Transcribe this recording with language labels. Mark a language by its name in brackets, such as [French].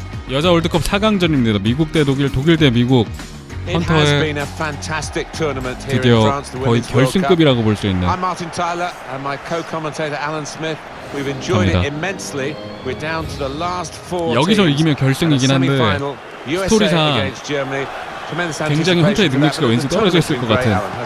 [Korean] 여자 월드컵 4강전입니다. 미국 대 독일, 독일 대 미국. 헌터의 드디어 거의 결승급이라고 볼 수 있는. [English] I'm Martin Tyler and my co-commentator Alan Smith. We've enjoyed it immensely. We're down to the last four. [Korean] 여기서 이기면 결승이긴 한데 스토리상 굉장히 헌터의 능력치가 왠지 떨어져 있을 것 같은.